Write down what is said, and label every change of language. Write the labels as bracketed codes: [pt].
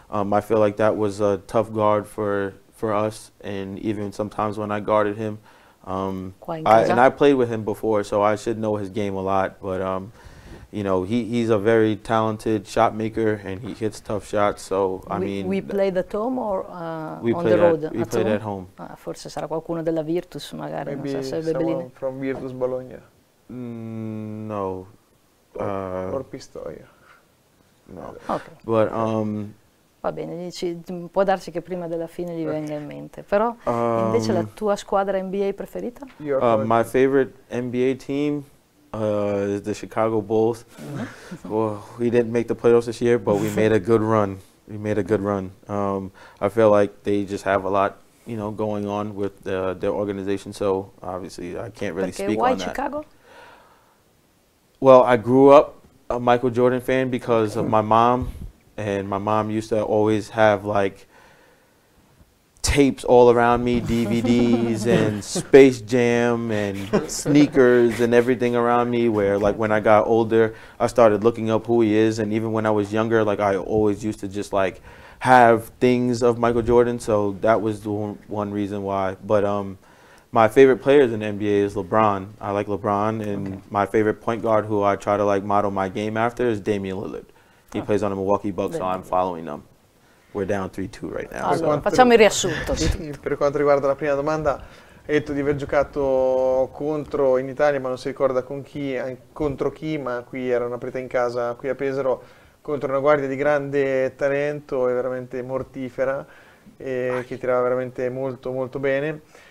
[en] But I feel like that was a tough guard for us. And even sometimes when I guarded him, I played with him before, so I should know his game a lot. But, you know, he's a very talented shot maker and he hits tough shots. So, We played at home or on the road? We played at home. [it] Ah, forse sarà qualcuno della Virtus, magari. [en] Maybe [it] non so, sarebbe [en] someone from Virtus Bologna. No. Or Pistoia. No. Okay. But, [it] va bene, dici, può darsi che prima della fine gli venga in mente. Però, invece, la tua squadra NBA preferita? [en] My favorite NBA team. Is the Chicago Bulls. Well, we didn't make the playoffs this year, but we made a good run. We made a good run. I feel like they just have a lot, you know, going on with their organization. So obviously, I can't really speak on that. Why Chicago? Well, I grew up a Michael Jordan fan because of my mom. and my mom used to always have like tapes all around me, DVDs and Space Jam and sneakers and everything around me, where like when I got older, I started looking up who he is. And even when I was younger, like I always used to just like have things of Michael Jordan. So that was the one reason why. But my favorite players in the NBA is LeBron. I like LeBron. And okay. My favorite point guard who I try to like model my game after is Damian Lillard. He plays on the Milwaukee Bucks, so I'm following them. We're down 3-2 right now. [it] Allora, facciamo il riassunto. Per quanto riguarda la prima domanda, hai detto di aver giocato contro in Italia, ma non si ricorda con chi, contro chi, ma qui era una partita in casa, qui a Pesaro, contro una guardia di grande talento e veramente mortifera, e che tirava veramente molto molto bene.